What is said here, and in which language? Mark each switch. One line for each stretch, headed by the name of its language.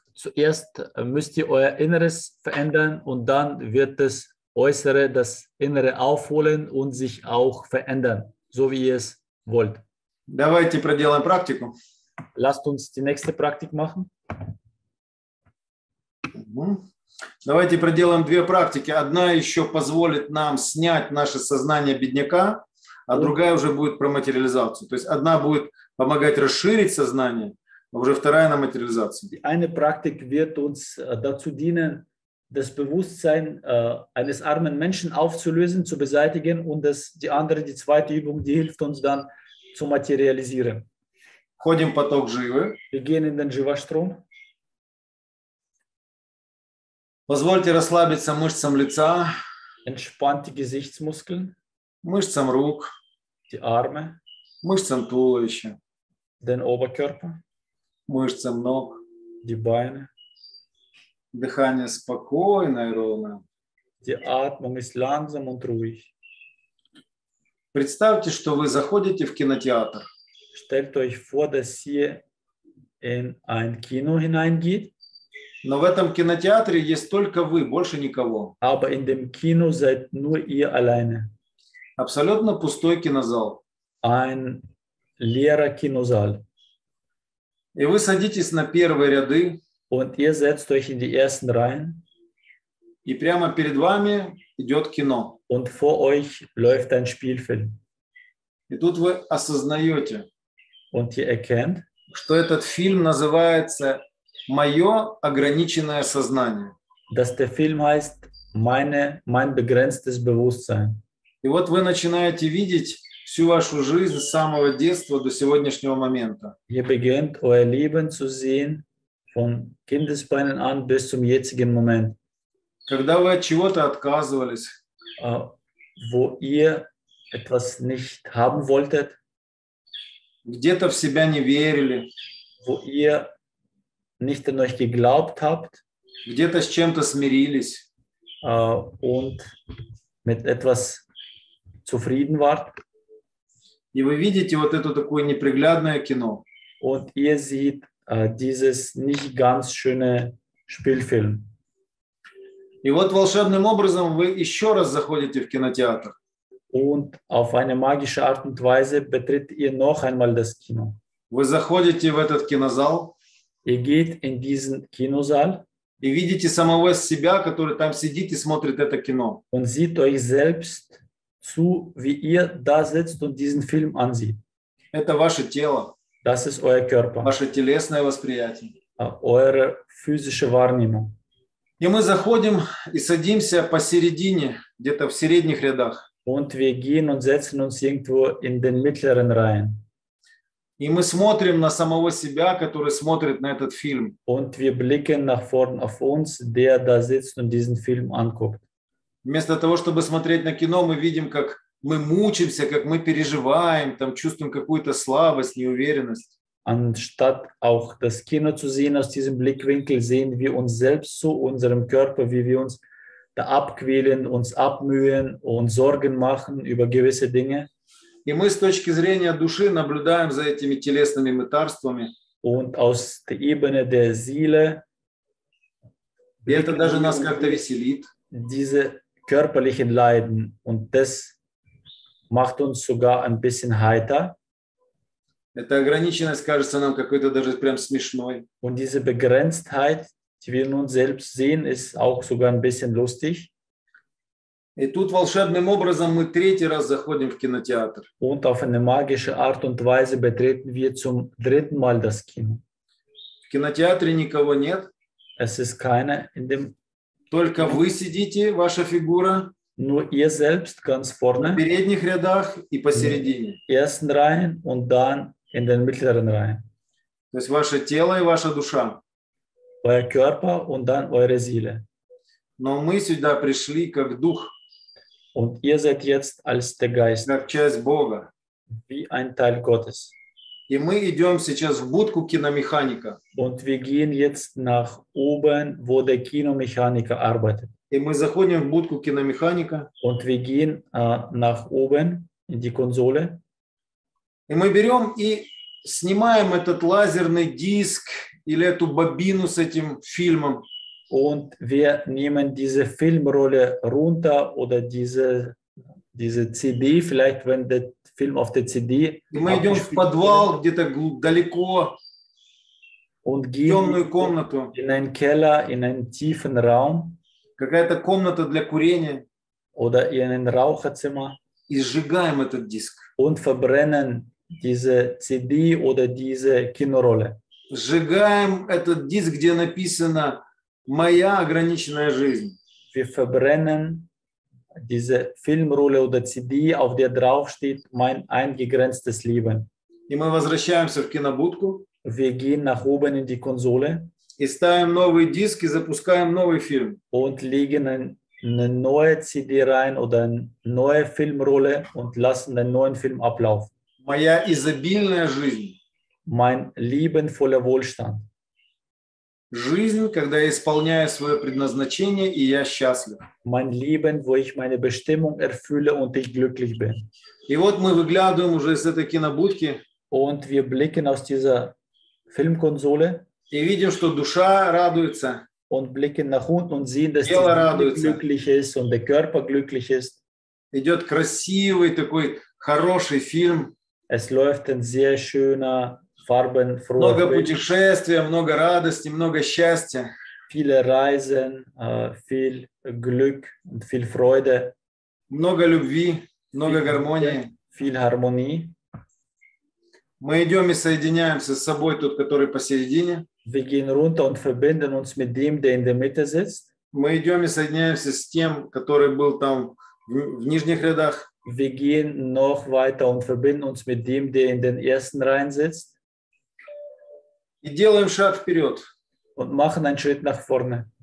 German: Zuerst müsst ihr euer Inneres verändern und dann wird das Äußere, das Innere aufholen und sich auch verändern, so wie ihr es wollt.
Russian: Давайте проделаем практику.
German: Lasst uns die nächste Praktik machen.
Russian: Давайте проделаем две практики. Одна еще позволит нам снять наше сознание бедняка, а другая уже будет про материализацию. То есть одна будет помогать расширить сознание, а уже вторая на материализацию.
German: Die eine Praktik wird uns dazu dienen, das Bewusstsein eines armen Menschen aufzulösen, zu beseitigen, und das, die zweite Übung, die hilft uns dann zu materialisieren.
Russian: Ходим поток живы.
German: Wir gehen in den Jiva-Strom.
Russian: Позвольте расслабиться мышцам лица.
German: Entspannte Gesichtsmuskeln.
Russian: Мышцам рук.
German: Die Arme.
Russian: Мышцам туловища.
German: Den Oberkörper.
Russian: Мышцам ног.
German: Die Beine.
Russian: Дыхание спокойное и ровное.
German: Die Atmung ist langsam und ruhig.
Russian: Представьте, что вы заходите в кинотеатр.
German: Stellt euch vor, dass ihr in ein Kino hineingeht.
Russian: Но в этом кинотеатре есть только вы, больше никого.
German: Aber in dem Kino seid nur ihr alleine.
Russian: Абсолютно пустой кинозал.
German: Ein leerer Kinosaal.
Russian: И вы садитесь на первые ряды.
German: Und ihr setzt euch in die ersten Reihen.
Russian: И прямо перед вами идет кино.
German: Und vor euch läuft ein Spielfilm.
Russian: И тут вы осознаете.
German: Und ihr erkennt,
Russian: что этот фильм называется «Мое ограниченное сознание».
German: Dass der Film heißt mein begrenztes Bewusstsein.
Russian: И вот вы начинаете видеть всю вашу жизнь с самого детства до сегодняшнего момента.
German: Ihr beginnt euer Leben zu sehen von Kindesbeinen an bis zum jetzigen Moment.
Russian: Когда вы от чего-то отказывались,
German: wo ihr etwas nicht haben wolltet,
Russian: где-то в себя не верили,
German: wo ihr nicht an euch geglaubt habt,
Russian: где-то с чем-то смирились,
German: und mit etwas zufrieden wart,
Russian: и вы видите вот это такое неприглядное кино,
German: und ihr seht dieses nicht ganz schöne Spielfilm.
Russian: И вот волшебным образом вы еще раз заходите в кинотеатр.
German: Und auf eine magische Art und Weise betritt ihr noch einmal das Kino.
Russian: Вы заходите в этот кинозал.
German: И geht in diesen Kinosaal.
Russian: И видите самого себя, который там сидит и смотрит это кино.
German: Und sieht euch selbst zu, wie ihr da sitzt und diesen Film ansieht.
Russian: Это ваше тело.
German: Das ist euer Körper.
Russian: Ваше телесное восприятие.
German: Eure physische Wahrnehmung.
Russian: И мы заходим и садимся посередине, где-то в средних рядах.
German: Und wir gehen und setzen uns irgendwo in den mittleren Reihen.
Russian: И мы смотрим на самого себя, который смотрит на этот фильм.
German: Und wir blicken nach vorn auf uns, der da sitzt und diesen Film anguckt.
Russian: Вместо того, чтобы смотреть на кино, мы видим, как мы мучимся, как мы переживаем, там чувствуем какую-то слабость, неуверенность.
German: Anstatt auch das Kino zu sehen aus diesem Blickwinkel, sehen wir uns selbst zu unserem Körper, wie wir uns da abquälen, uns abmühen und Sorgen machen über gewisse Dinge.
Russian: И мы с точки зрения души наблюдаем за этими телесными мытарствами.
German: Und aus der Ebene der Seele,
Russian: и это даже нас как-то веселит.
German: Diese körperlichen Leiden, und das macht uns sogar ein bisschen heiter.
Russian: Эта ограниченность кажется нам какой-то даже прям смешной.
German: Und diese Begrenztheit, die wir nun selbst sehen, ist auch sogar ein bisschen lustig.
Russian: И тут волшебным образом мы третий раз заходим в кинотеатр.
German: Und auf eine magische Art und Weise betreten wir zum dritten Mal das Kino.
Russian: В кинотеатре никого нет.
German: Es ist keine in dem...
Russian: Только вы сидите, ваша фигура.
German: Nur ihr selbst ganz vorne.
Russian: В передних рядах и посередине.
German: In den ersten Reihen und dann in den mittleren Reihen.
Russian: То есть ваше тело и ваша душа.
German: Euer Körper und dann eure Seele.
Russian: Но мы сюда пришли как дух.
German: Und ihr seid jetzt als der Geist.
Russian: Как часть Бога.
German: Wie ein Teil Gottes.
Russian: И мы идем сейчас в будку киномеханика.
German: Und wir gehen jetzt nach oben, wo der Kinomechaniker arbeitet.
Russian: И мы заходим в будку киномеханика.
German: Und wir gehen nach oben, in die Konsole.
Russian: И мы берем и снимаем этот лазерный диск или эту бобину с этим фильмом.
German: Und wir nehmen diese Filmrolle runter oder diese CD, vielleicht wenn der Film auf der CD.
Russian: Мы идем в подвал где-то далеко.
German: Und gehen in einen Keller, in einen tiefen Raum.
Russian: Какая-то комната для курения.
German: Oder in ein Raucherzimmer.
Russian: И сжигаем этот диск.
German: Und verbrennen diese CD oder diese Kinorolle.
Russian: Сжигаем этот диск, где написано «Моя ограниченная жизнь».
German: Wir verbrennen diese Filmrolle oder CD, auf der draufsteht «Mein eingegrenztes Leben».
Russian: И мы возвращаемся в кинобудку.
German: Wir gehen nach oben in die Konsole.
Russian: И ставим новый диск и запускаем новый фильм.
German: Und legen eine neue CD rein oder eine neue Filmrolle und lassen den neuen Film ablaufen.
Russian: «Моя изобильная жизнь».
German: «Mein liebenvoller Wohlstand».
Russian: Жизнь, когда я исполняю свое предназначение, и я счастлив.
German: Mein Leben, wo ich meine Bestimmung erfülle und ich glücklich bin.
Russian: И вот мы выглядываем уже из этой кинобудки.
German: Und wir blicken aus dieser Filmkonsole.
Russian: И видим, что душа радуется.
German: Und blicken nach unten und sehen, dass
Russian: тело радуется.
German: Glücklich ist und der Körper glücklich ist.
Russian: Идет красивый такой хороший фильм.
German: Es läuft ein sehr schöner
Russian: Много путешествий, много радости, много счастья.
German: Viele Reisen, viel Glück und viel Freude.
Russian: Много любви, много гармонии.
German: Viel Harmonie.
Russian: Мы идем и соединяемся с собой, тот, который посередине.
German: Wir gehen runter und verbinden uns mit dem, der in der Mitte sitzt.
Russian: Мы идем и соединяемся с тем, который был там в нижних рядах.
German: Wir gehen noch weiter und verbinden uns mit dem, der in den ersten Reihen sitzt.
Russian: И делаем шаг вперед.
German: Und machen einen Schritt nach vorne.